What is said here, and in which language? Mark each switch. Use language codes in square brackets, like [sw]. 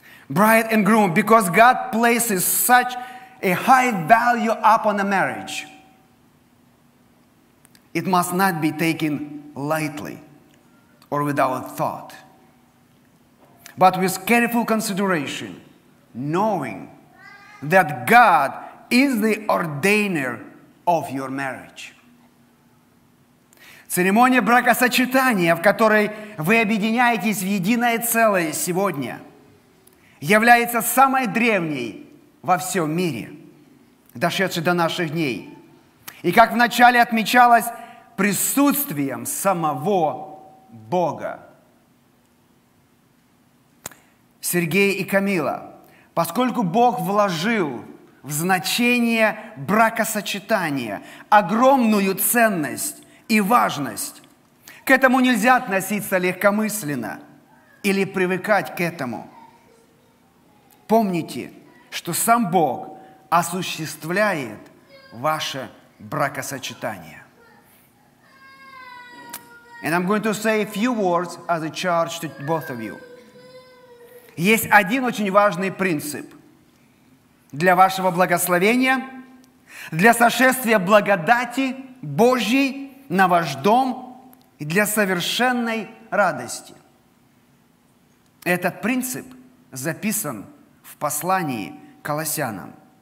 [en] Bride and groom, because God places such a high value upon a marriage, it must not be taken lightly or without thought, but with careful consideration, knowing that God is the ordainer of your marriage. [ru] Церемония бракосочетания, в которой вы объединяетесь в единое целое сегодня, является самой древней во всем мире, дошедшей до наших дней. И как вначале отмечалось, присутствием самого Бога. Сергей и Камила, поскольку Бог вложил в значение бракосочетания огромную ценность и важность, к этому нельзя относиться легкомысленно или привыкать к этому. Помните, что сам Бог осуществляет ваше бракосочетание. [en] And I'm going to say a few words as a charge to both of you. [ru] Есть один очень важный принцип для вашего благословения, для сошествия благодати Божьей на ваш дом и для совершенной радости. Этот принцип записан в послании к Колоссянам.